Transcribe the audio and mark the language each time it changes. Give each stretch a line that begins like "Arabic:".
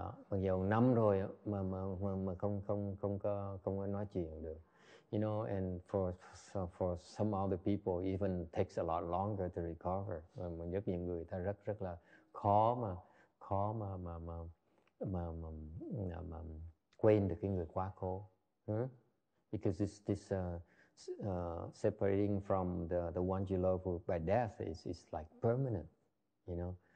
Vietnamese: Mặc dù năm rồi mà không có nói chuyện được.
English: You know, and for some other people, even takes a lot longer to recover.
Vietnamese: Mà rất nhiều người ta rất là khó mà quên được cái người quá cố.
English: Because separating from the one you love by death is like permanent, you know.